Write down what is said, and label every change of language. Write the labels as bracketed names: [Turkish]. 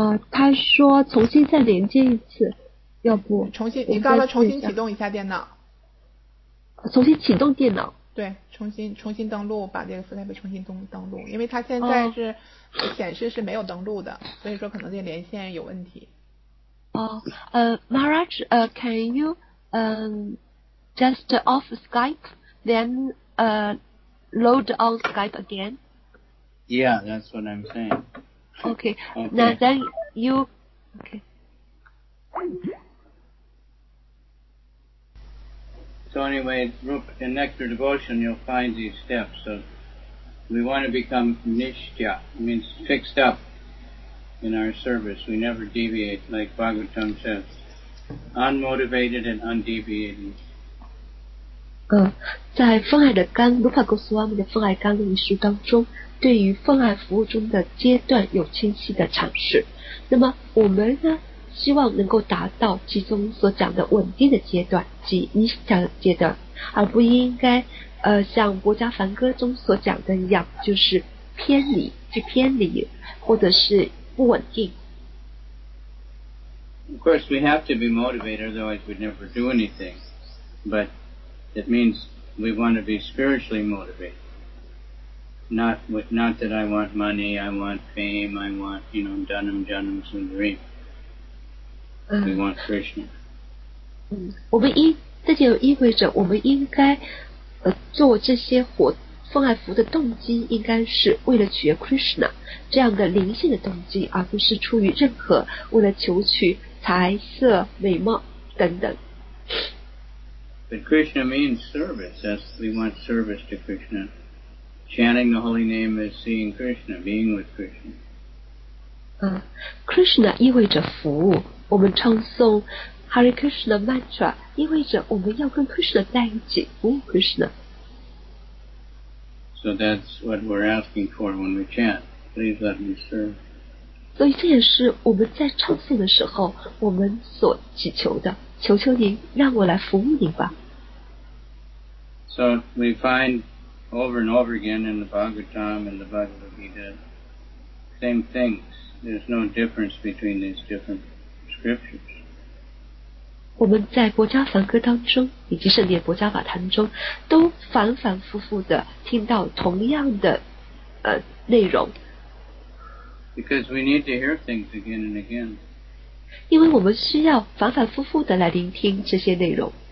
[Chinese] 他说重新再连接一次，要不重新，你刚刚重新启动一下电脑，重新启动电脑，对，重新登录，把这个 Skype 重新登录，因为他现在是显示是没有登录的，所以说可能这连线有问题。 [English] Maharaj, can you just off Skype, then load on Skype again? Yeah, that's what I'm saying. Okay. Now then you. Okay. So anyway, in Nectar Devotion, you'll find these steps. So we want to become nishtya, means fixed up in our service. We never deviate, like Bhagavatam says, unmotivated and undeviating. [Chinese] 在《奉爱的纲》卢帕古斯瓦米的《奉爱纲领》一书当中。对于奉爱服务中的阶段有清晰的阐释，那么我们呢，希望能够达到其中所讲的稳定的阶段，即你想的阶段，而不应该像《国家梵歌》中所讲的一样，就是偏离，去偏离，或者是不稳定。 [English] Of course, we have to be motivated, otherwise we'd never do anything. But it means we want to be spiritually motivated. Not that I want money, I want fame, I want, you know, [Sanskrit] dhanam, dhanam, sundari. [English] We want Krishna. [Chinese] 我们应这就意味着我们应该做这些活奉爱服务的动机应该是为了取悦 Krishna 这样的灵性的动机，而不是出于任何为了求取财色美貌等等。 [English] But Krishna means service. That's, we want service to Krishna. Chanting the holy name is seeing Krishna, being with Krishna. [Chinese] Krishna 意味着服务，我们唱诵 Hare Krishna mantra 意味着我们要跟 Krishna 在一起，服务 Krishna. [English] So that's what we're asking for when we chant. Please let me serve. [Chinese] 所以这也是我们在唱诵的时候我们所祈求的，求求您让我来服务您吧。 [English] So we findover and over again in the Bhagavatam and the Bhagavad Gita, same things. There's no difference between these different scriptures. [Chinese] 我们在国家梵歌当中以及圣典国家法坛中都反反复复的听到同样的内容。 Because we need to hear things again and again. 因为我们需要反反复复的来聆听这些内容。